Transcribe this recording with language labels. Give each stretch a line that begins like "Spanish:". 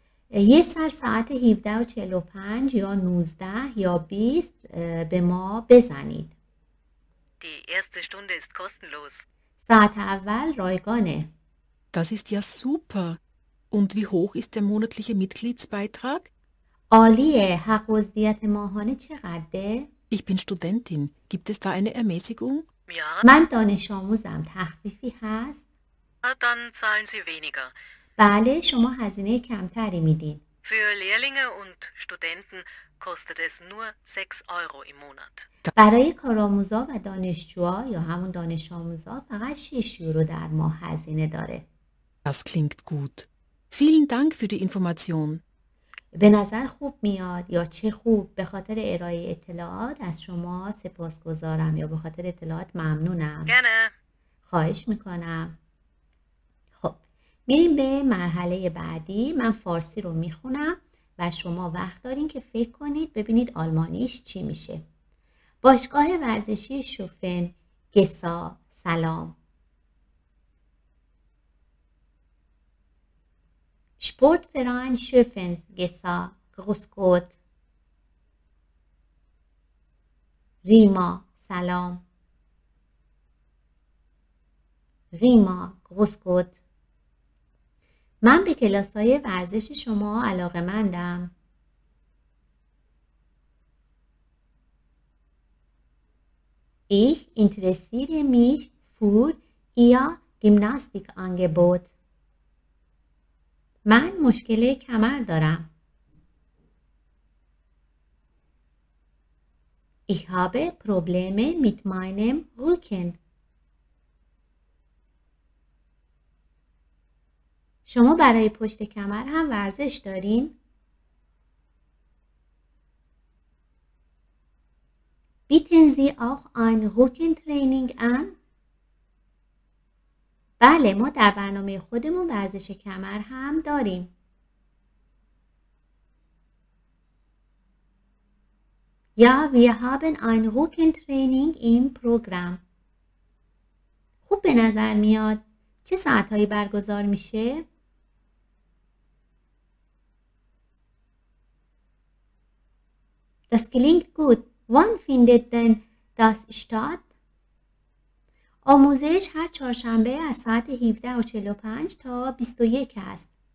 Persian: یه سر ساعت 17.45 یا 19 یا 20 به ما بزنید.
German: Die erste Stunde ist kostenlos.
Persian: ساعت اول رایگانه.
German: Das ist ja super. Und wie hoch ist der monatliche Mitgliedsbeitrag?
Persian: عالیه. حق عضویت ماهانه چقدره؟
German: Ich bin Studentin. Gibt es da eine Ermäßigung? Ja.
Persian: من دانش آموزم. تخفیفی هست؟
German: Ja, dann zahlen Sie weniger.
Persian: بله، شما هزینه کمتری میدین.
German: Für Lehrlinge und Studenten kostet es nur 6 Euro im Monat.
Persian: برای کارآموزا و دانشجوها یا همون دانش آموزا فقط 6 یورو در ماه هزینه داره.
German: Das klingt gut. Vielen Dank für die Information.
Persian: به نظر خوب میاد یا چه خوب. به خاطر ارائه اطلاعات از شما سپاسگزارم یا به خاطر اطلاعات ممنونم.
German: Gerne.
Persian: خواهش میکنم. میریم به مرحله بعدی. من فارسی رو میخونم و شما وقت دارین که فکر کنید ببینید آلمانیش چی میشه. باشگاه ورزشی شوفن گسا، سلام.
German: Sportverein Schöfen گسا، گروس گوت.
Persian: ریما، سلام. ریما، گروس گوت. من به کلاس‌های ورزش شما علاقه‌مندم.
German: Ich interessiere mich für Ihr Gymnastikangebot.
Persian: من مشکل کمر دارم.
German: Ich habe Probleme mit meinem Rücken.
Persian: شما برای پشت کمر هم ورزش دارین؟
German: Bieten Sie auch ein Rückentraining an?
Persian: بله، ما در برنامه خودمون ورزش کمر هم داریم.
German: Ja, wir haben ein Rückentraining im Programm.
Persian: خوب به نظر میاد. چه ساعتهایی برگزار میشه؟
German: Das klingt gut. Wann findet denn das statt?
Persian: آموزش هر چهارشنبه از ساعت 17:45 تا 21 است.